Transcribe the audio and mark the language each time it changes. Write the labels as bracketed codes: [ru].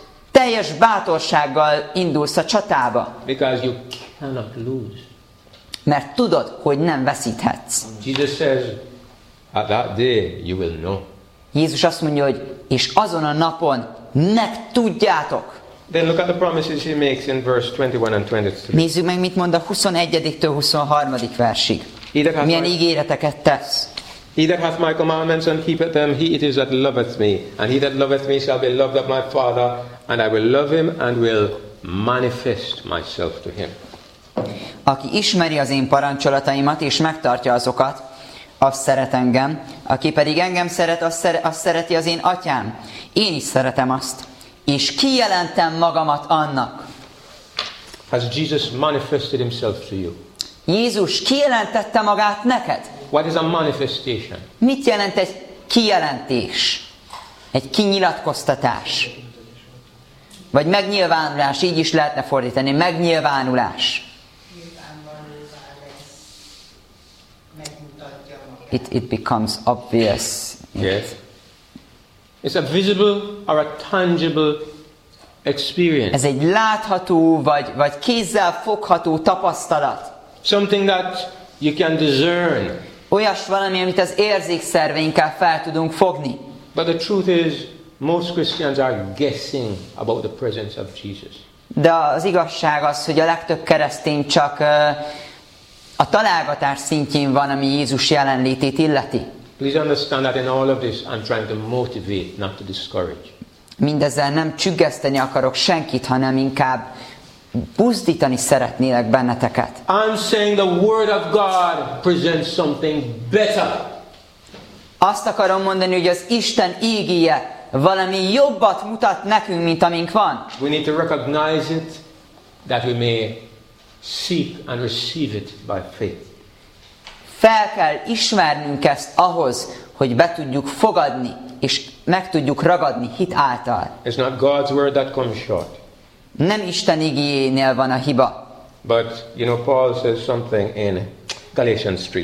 [hu] Teljes bátorsággal indulsz a csatába. [en] Because you cannot lose. [hu] Mert tudod, hogy nem veszíthetsz. [en] Jesus says, at that day you will know. [hu] Jézus azt mondja, hogy és azon a napon megtudjátok. [en] Then look at the promises he makes in verse 21 and 22. [hu] Nézzük meg, mit mond a 21-től 23. versig. Milyen ígéreteket tesz. [en] He that hath my commandments and keepeth them, he it is that loveth me. And he that loveth me shall be loved of my Father, and I will love him and will manifest myself to him. [hu] Aki ismeri az én parancsolataimat és megtartja azokat, az szeret engem, aki pedig engem szeret, az szereti az én atyám. Én is szeretem azt, és kijelentem magamat annak. [en] Has Jesus manifested himself to you? [hu] Jézus kijelentette magát neked. [en] What is a manifestation? [hu] Mit jelent egy kijelentés? Egy kinyilatkoztatás? Vagy megnyilvánulás, így is lehetne fordítani, megnyilvánulás. [en] It becomes obvious. Yes. It's a visible or a tangible experience. [hu] Ez egy látható vagy kézzel fogható tapasztalat. [en] Something that you can discern. [hu] Olyas valami, amit az érzékszerveinkkel fel tudunk fogni. [en] But the truth is, most Christians are guessing about the presence of Jesus. [hu] De az igazság az, hogy a legtöbb keresztény csak a találgatás szintjén van, ami Jézus jelenlétét illeti. [en] Please understand that in all of this I'm trying to motivate, not to discourage. [hu] Mindezzel nem csüggeszteni akarok senkit, hanem inkább buzdítani szeretnélek benneteket. [en] I'm saying the word of God presents something better. [hu] Azt akarom mondani, hogy az Isten ígéje valami jobbat mutat nekünk, mint amink van. [en] We need to recognize it that we may seek and receive it by faith. [hu] Fel kell ismernünk ezt ahhoz, hogy be tudjuk fogadni és meg tudjuk ragadni hit által. [en] It's not God's word that comes short. [hu] Nem Isten igéjénél van a hiba. [en] But you know, Paul says something in Galatians 3.